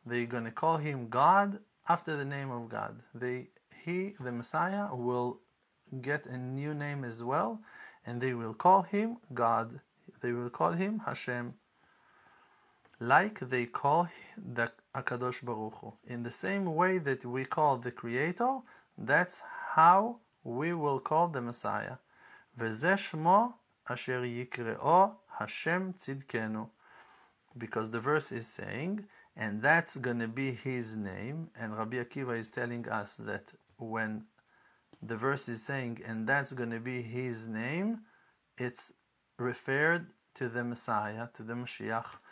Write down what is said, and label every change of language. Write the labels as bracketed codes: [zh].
[en] They're going to call him God after the name of God. He, the Messiah, will get a new name as well, and they will call him God. They will call him Hashem, like they call the HaKadosh Baruch Hu. In the same way that we call the Creator, that's how we will call the Messiah. [he] וזה שמו אשר יקראו השם צדקנו. [en] Because the verse is saying, and that's going to be his name, and Rabbi Akiva is telling us that when the verse is saying, and that's going to be his name, it's referred to the Messiah, to the Mashiach.